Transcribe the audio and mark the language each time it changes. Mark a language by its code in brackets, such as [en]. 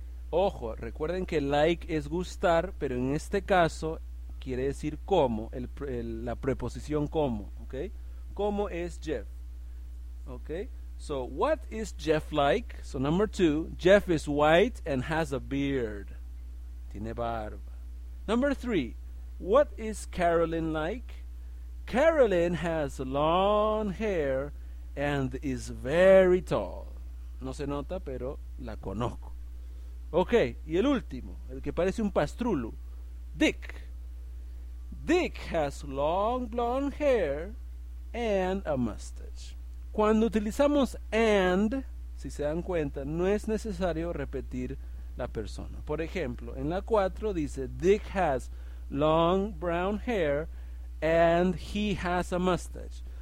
[es] Ojo, recuerden que like es gustar, pero en este caso quiere decir como, la preposición como, ¿ok? ¿Cómo es Jeff? [en] ¿Ok? So, what is Jeff like? So, number two, Jeff is white and has a beard. [es] Tiene barba. [en] Number three, what is Carolyn like? Carolyn has long hair and is very tall. [es] No se nota, pero la conozco. Ok, y el último, el que parece un pastrulo, Dick. [en] Dick has long blonde hair and a mustache. [es] Cuando utilizamos and, si se dan cuenta, no es necesario repetir la persona. Por ejemplo, en la 4 dice, [en] Dick has long brown hair and he has a mustache.